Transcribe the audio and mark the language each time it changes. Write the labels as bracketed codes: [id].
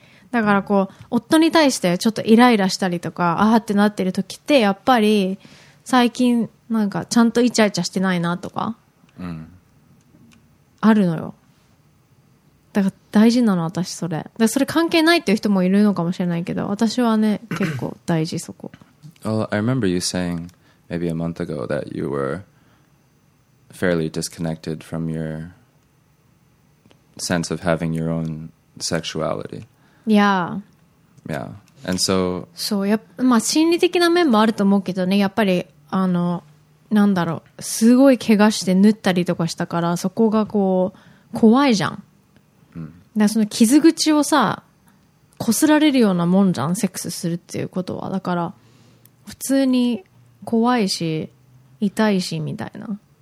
[ja] だからこう夫に対してちょっとイライラしたりとかあーってなってる時ってやっぱり最近なんかちゃんとイチャイチャしてないなとか、うん、あるのよ。だから大事なの私それ。だそれ関係ないっていう人もいるのかもしれないけど、私はね結構大事そこ。 [en] Well, I remember you saying maybe a month ago that you were fairly disconnected from your sense of having your own sexuality. Yeah. Yeah. And so, [ja] そうや、まあ心理的な面もあると思うけどね、やっぱりあのなんだろう、すごい怪我して縫ったりとかしたから、そこがこう怖いじゃん。だその傷口をさ擦られるようなもんじゃん、セックスするっていうことは。だから普通に怖いし痛いしみたいな。